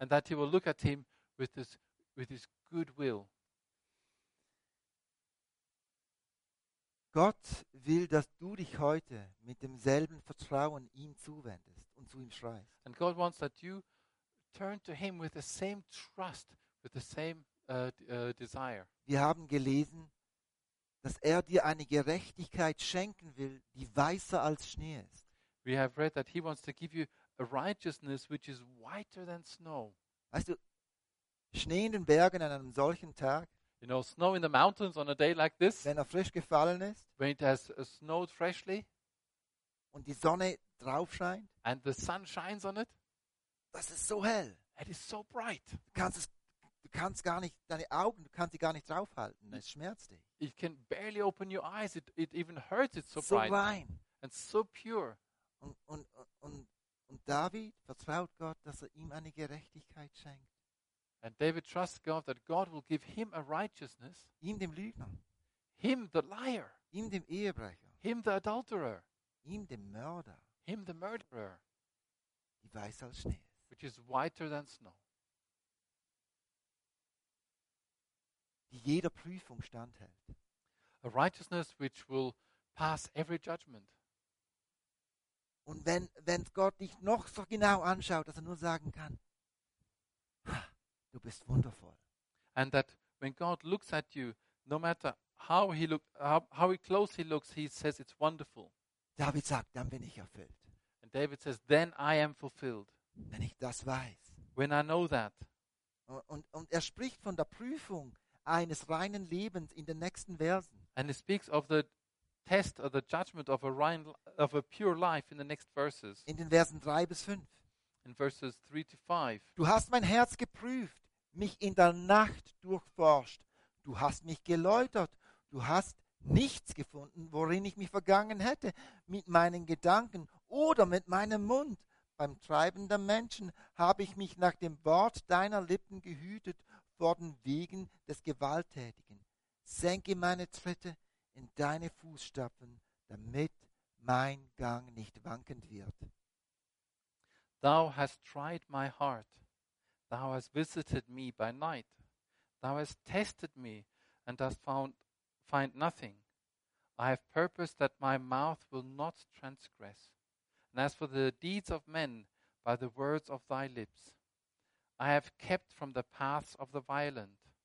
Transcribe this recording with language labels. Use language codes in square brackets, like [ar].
[en] And that he will look at him with his goodwill. [de] Gott will, dass du dich heute mit demselben Vertrauen ihm zuwendest und zu ihm schreist. [en] And God wants that you turn to him with the same trust, with the same desire. [de] Wir haben gelesen, dass er dir eine Gerechtigkeit schenken will, die weißer als Schnee ist. [en] We have read that he wants to give you a righteousness which is whiter than snow. [de] Weißt du, Schnee in den Bergen an einem solchen Tag. [en] You know, snow in the mountains on a day like this. [de] Wenn er frisch gefallen ist. [en] When it has snowed freshly. [de] Und die Sonne drauf scheint. [en] And the sun shines on it. [de] Das ist so hell. [en] It is so bright. [de] Du kannst gar nicht deine Augen, du kannst sie gar nicht draufhalten. Es schmerzt dich. [en] You can barely open your eyes. It even hurts. It's so, so bright. [de] So rein. [en] And so pure. [de] Und David vertraut Gott, dass er ihm eine Gerechtigkeit schenkt. [en] And David trusts God that God will give him a righteousness. [de] Ihm dem Lügner. [en] Him the liar. [de] Ihm dem Ehebrecher. [en] Him the adulterer. [de] Ihm dem Mörder. [en] Him the murderer. [de] Die weißer als Schnee. [en] Which is whiter than snow. [de] Die jeder Prüfung standhält. [en] A righteousness which will pass every judgment. [de] Und wenn Gott dich noch so genau anschaut, dass er nur sagen kann, du bist wundervoll. [en] And that when God looks at you, no matter how he looked, how close he looks, he says it's wonderful. [de] David sagt, dann bin ich erfüllt. [en] And David says, then I am fulfilled. [de] Wenn ich das weiß. [en] When I know that. [de] Und er spricht von der Prüfung eines reinen Lebens in den nächsten Versen. [en] And he speaks of the test or the judgment of a pure life in the next verses. [de] In den Versen 3 bis 5. [en] In verses 3 to 5. [de] Du hast mein Herz geprüft, mich in der Nacht durchforscht. Du hast mich geläutert. Du hast nichts gefunden, worin ich mich vergangen hätte, mit meinen Gedanken oder mit meinem Mund. Beim Treiben der Menschen habe ich mich nach dem Wort deiner Lippen gehütet vor den Wegen des Gewalttätigen. Senke meine Tritte in deine Fußstapfen, damit mein Gang nicht wankend wird. [en] Thou hast tried my heart. Thou hast visited me by night. Thou hast tested me and hast find nothing. I have purposed that my mouth will not transgress. And as for the deeds of men, by the words of thy lips, I have kept from the paths of the violent.